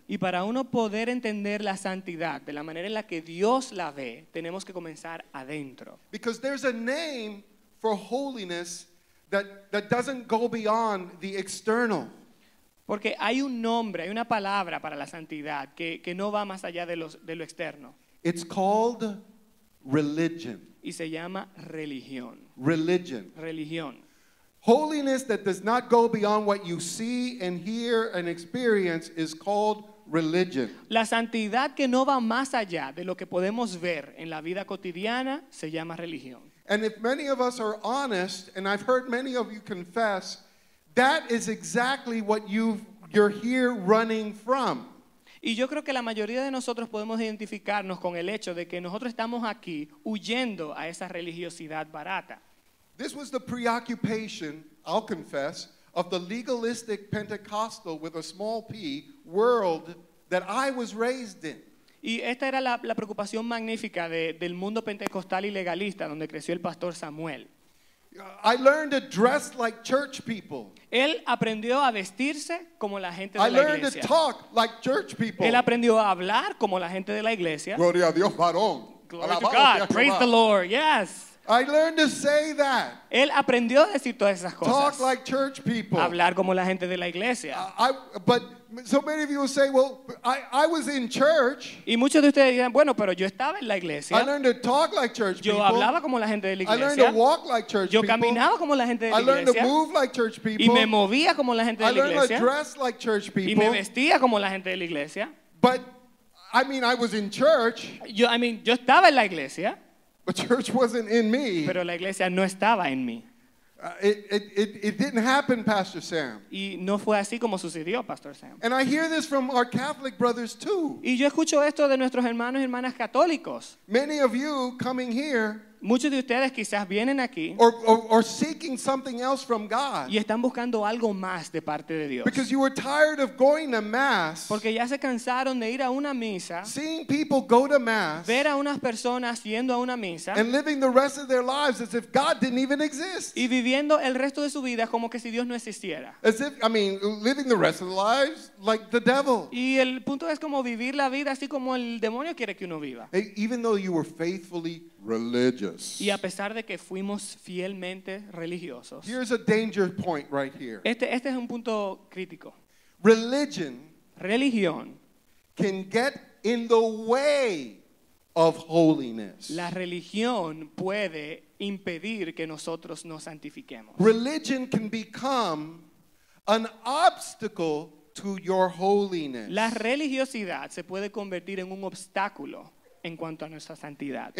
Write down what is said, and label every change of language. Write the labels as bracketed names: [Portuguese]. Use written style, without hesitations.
[Spanish] Y para uno poder entender la santidad de la manera en la que Dios la ve, tenemos que comenzar adentro. [English] Because there's a name for holiness that doesn't go beyond the external. [Spanish] Porque hay un nombre, hay una palabra para la santidad que no va más allá de lo externo. [English] It's called religion. [Spanish] Y se llama religión. [English] Religion. [Spanish] Religión. [English] Holiness that does not go beyond what you see and hear and experience is called religion. [Spanish] La santidad que no va más allá de lo que podemos ver en la vida cotidiana se llama religión. [English] And if many of us are honest, and I've heard many of you confess, that is exactly what you're here running from. [Spanish] Y yo creo que la mayoría de nosotros podemos identificarnos con el hecho de que nosotros estamos aquí huyendo a esa religiosidad barata. [English] This was the preoccupation, I'll confess, of the legalistic Pentecostal with a small p world that I was raised in. [Spanish] Y esta era la preocupación magnífica del mundo pentecostal y legalista donde creció el pastor Samuel. [English] I learned to dress like church people. [Spanish] Él aprendió a vestirse como la gente de la iglesia. [English] I learned to talk like church people. [Spanish] Él aprendió a hablar como la gente de la iglesia. Gloria a Dios, varón. [English] Glory to God. Praise the Lord. Yes. I learned to say that. [Spanish] Él aprendió a decir todas esas cosas. [English] Talk like church people. [Spanish] Hablar como la gente de la iglesia. [English] But so many of you will say, "Well, I was in church." [Spanish] Y muchos de ustedes dirán, "Bueno, pero yo estaba en la iglesia." [English] I learned to talk like church people. [Spanish] Yo hablaba como la gente de la iglesia. [English] I learned to walk like church people. [Spanish] Yo caminaba como la gente de la iglesia. [English] I learned to move like church people. [Spanish] Y me movía como la gente de la iglesia. [English] I learned to dress like church people. [Spanish] Y me vestía como la gente de la iglesia. [English] But I mean, I was in church. [Spanish] Yo estaba en la iglesia. [English] But church wasn't in me. [Spanish] Pero la iglesia no estaba en mí. [English] It didn't happen, Pastor Sam. [Spanish] Y no fue así como sucedió, Pastor Sam. [English] And I hear this from our Catholic brothers too. [Spanish] Y yo escucho esto de nuestros hermanos y hermanas católicos. [English] Many of you coming here. [Spanish] Muchos de ustedes quizás vienen aquí. [English] Or seeking something else from God. [Spanish] Y están buscando algo más de parte de Dios. [English] Because you were tired of going to mass. [Spanish] Porque ya se cansaron de ir a una misa. [English] Seeing people go to mass. [Spanish] Ver a unas personas yendo a una misa. [English] And living the rest of their lives as if God didn't even exist. [Spanish] Y viviendo el resto de su vida como que si Dios no existiera. [English] As if, I mean, living the rest of their lives like the devil. [Spanish] Y el punto es como vivir la vida así como el demonio quiere que uno viva. [English] Even though you were faithfully religious. [Spanish] Y a pesar de que fuimos fielmente religiosos. [English] Here's a danger point right here. [Spanish] Este es un punto crítico. [English] Religion. [Spanish] Religión. [English] Can get in the way of holiness. [Spanish] La religión puede impedir que nosotros nos santifiquemos. [English] Religion can become an obstacle to your holiness. [Spanish] La religiosidad se puede convertir en un obstáculo en cuanto a nuestra santidad.